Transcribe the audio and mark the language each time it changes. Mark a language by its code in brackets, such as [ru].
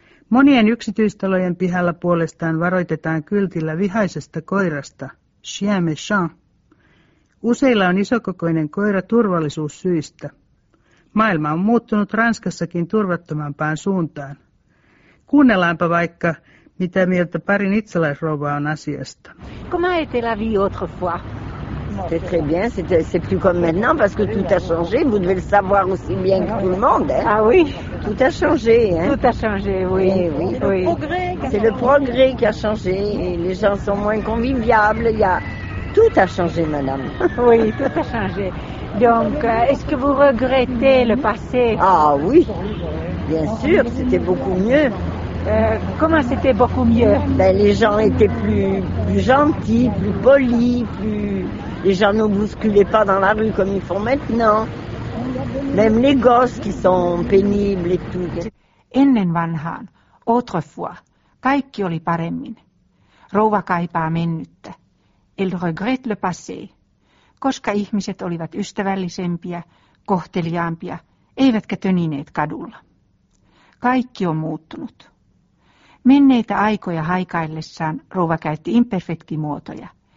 [fi] Monien yksityistalojen pihalla puolestaan varoitetaan kyltillä vihaisesta koirasta, [fr] chien méchant. [fi] Useilla on isokokoinen koira turvallisuussyistä. Maailma on muuttunut Ranskassakin turvattomampaan suuntaan. Kuunnellaanpa vaikka, mitä mieltä parin itsalaisrouva on asiasta. [fr] Comment était la vie autrefois? C'était très bien, c'est plus comme maintenant parce que tout a changé, vous devez le savoir aussi bien que tout le monde. Hein? Ah oui, tout a changé. Hein? Tout a changé, oui. Oui, oui. C'est le progrès qui a changé, les gens sont moins conviviables, il y a... Tout a changé, madame. Oui, tout a changé. Donc, est-ce que vous regrettez le passé? Ah oui, bien sûr, c'était beaucoup mieux. Comment c'était beaucoup mieux? Ben, les gens étaient plus gentils, plus polis, plus... Les gens ne bousculaient pas dans la rue comme ils font maintenant. Même les gosses qui sont pénibles et tout. [fi] Ennen vanhaan, [fr] autrefois, [fi] kaikki oli paremmin. Rouva kaipaa mennyttä. [fr] Elle regrette le passé. [fi] Koska ihmiset olivat ystävällisempiä, kohteliaampia, eivätkä tönineet kadulla. Kaikki on muuttunut. Menneitä aikoja haikaillessaan rouva käytti imperfektimuotoja.